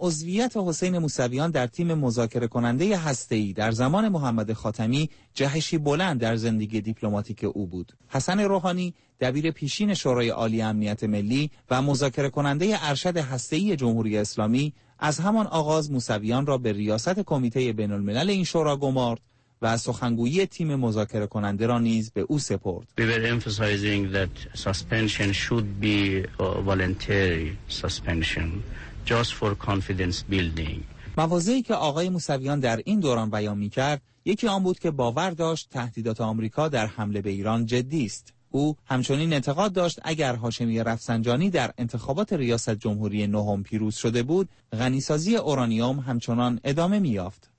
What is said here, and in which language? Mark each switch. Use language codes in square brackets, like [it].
[fa] اما عضویت حسین موسویان در تیم مذاکره کننده هسته‌ای در زمان محمد خاتمی جهشی بلند در زندگی دیپلماتیک او بود. حسن روحانی، دبیر پیشین شورای عالی امنیت ملی و مذاکره کننده ارشد هسته‌ای جمهوری اسلامی، از همان آغاز موسویان را به ریاست کمیته بین الملل این شورا گمارد و سخنگویی تیم مذاکره کننده را نیز به او سپرد. [en] We were emphasizing that suspension should be voluntary suspension just for confidence building. [fa] مواضعی که آقای موسویان در این دوران بیان می‌کرد، یکی آن بود که باور داشت تهدیدات آمریکا در حمله به ایران جدی است. او همچنین اعتقاد داشت اگر هاشمی رفسنجانی در انتخابات ریاست جمهوری نهم پیروز شده بود، غنی‌سازی اورانیوم همچنان ادامه می‌یافت.